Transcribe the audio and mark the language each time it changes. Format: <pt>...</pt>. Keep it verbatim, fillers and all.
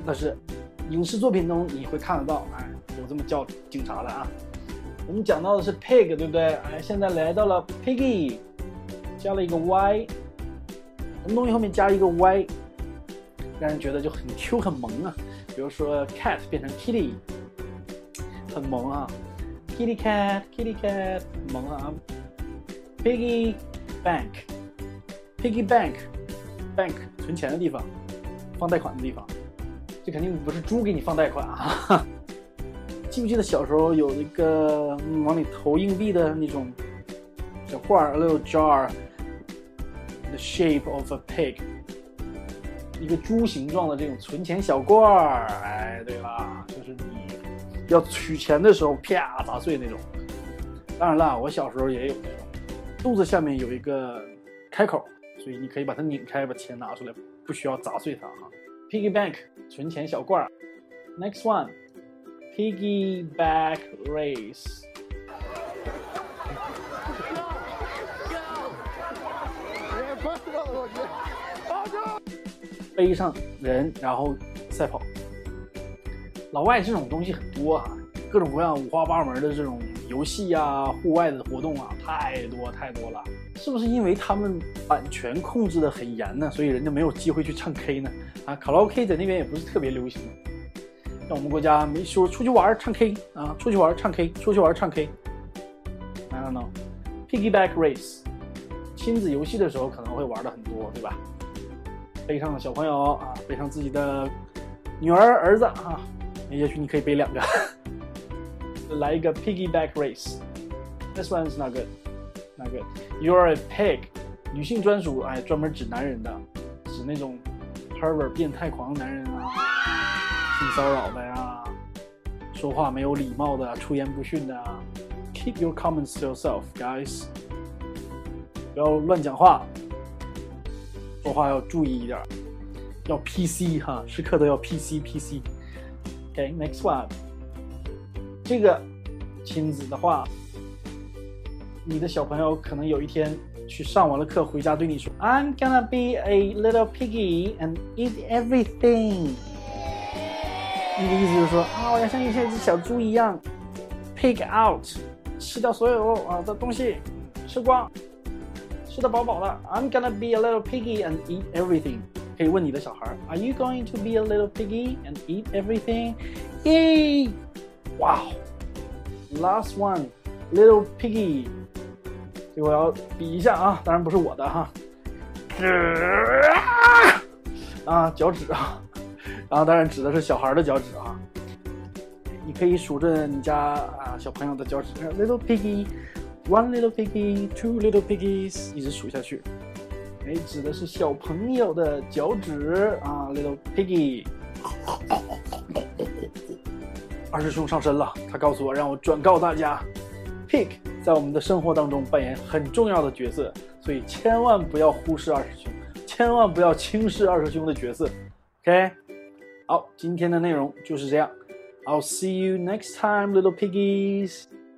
<zh>但是影视作品中你会看得到，哎，有这么叫警察的啊。我们讲到的是 pig， 对不对？哎，现在来到了 piggy。加了一个 y， 什么东西后面加一个 y， 让人觉得就很 Q 很萌啊。比如说 cat 变成 kitty， 很萌啊。 kitty cat kitty cat 萌啊。 piggy bank piggy bank bank 存钱的地方，放贷款的地方。这肯定不是猪给你放贷款啊。记不记得小时候有那个、嗯、往里投硬币的那种小罐 ？</zh> <en>A little jar。The shape of a pig，</en> <zh>一个猪形状的这种存钱小罐儿，哎，对了，就是你要取钱的时候啪砸碎那种。当然了，我小时候也有那种，肚子下面有一个开口，所以你可以把它拧开，把钱拿出来，不需要砸碎它哈。 Piggy bank 存钱小罐儿。</zh> <en>Next one, piggyback race.</en> <zh>背上人然后赛跑。老外这种东西很多啊，各种各样五花八门的这种游戏啊，户外的活动啊，太多太多了。是不是因为他们版权控制的很严呢，所以人家没有机会去唱 K 呢？啊，卡拉 OK 在那边也不是特别流行，在我们国家没说出去玩唱 K 啊，出去玩唱 K， 出去玩唱 K。</zh> <en>I don't know.</en> <zh>Piggyback race， 亲子游戏的时候可能会玩的很多，对吧？背上小朋友啊，背上自己的女儿儿子啊，也许你可以背两个。来一个</zh> <en>piggyback race。 This one is not good, not good. You are a pig。</en> <zh>女性专属，哎，专门指男人的，指那种 pervert 变态狂男人啊，性骚扰的呀、啊，说话没有礼貌的，出言不逊的啊。</zh> <en>Keep your comments to yourself, guys。</en> <zh>不要乱讲话。说话要注意一点，要 P C 哈，时刻都要 P C P C。</zh> <en>OK, next one。</en> <zh>这个亲子的话，你的小朋友可能有一天去上完了课回家对你说 ，</zh> <en>I'm gonna be a little piggy and eat everything。</en> <zh>你的意思就是说啊，我要像一只小猪一样 ，pig out， 吃掉所有啊的东西，吃光。吃得饱饱的</zh> <en>，I'm gonna be a little piggy and eat everything。</en> <zh>可以问你的小孩</zh> <en>，Are you going to be a little piggy and eat everything？耶！哇 ！Last one，little piggy。</en> <zh>这我要比一下啊，当然不是我的哈。啊，脚趾啊，然后当然指的是小孩的脚趾啊。你可以数着你家啊小朋友的脚趾 ，little piggy。</zh> <en>One little piggy, two little piggies，</en> <zh>一直数下去。哎，指的是小朋友的脚趾啊 ，little piggy。二师兄上身了，他告诉我让我转告大家 ，pig 在我们的生活当中扮演很重要的角色，所以千万不要忽视二师兄，千万不要轻视二师兄的角色。</zh> <en>OK，</en> <zh>好，今天的内容就是这样。</zh> <en>I'll see you next time, little piggies.</en>